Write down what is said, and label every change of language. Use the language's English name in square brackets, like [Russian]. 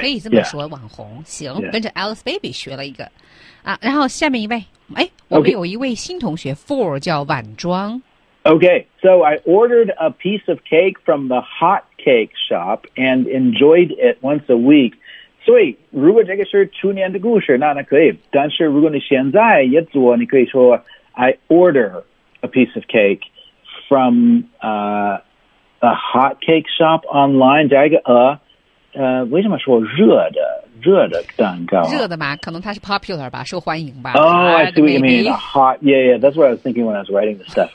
[Chinese] 可以这么说、 [English] yeah. [Chinese] 网红，行、yeah. 跟着 Alice Baby 学了一个、啊、然后下面一位、哎、我们有一位新同学 Four 叫晚装。 [English] Okay, so I ordered a piece of cake from the hot cake shop and enjoyed it once a week. [Chinese] 所以如果这个是去年的故事那可以。但是如果你现在也做你可以说 [English] I order a piece of cake from a hot cake shop online. [Chinese] 加一个为什么说热的蛋糕热的嘛可能它是 popular 吧受欢迎吧 [English] Oh, I see what you mean. A hot, yeah, yeah, that's what I was thinking when I was writing this stuff.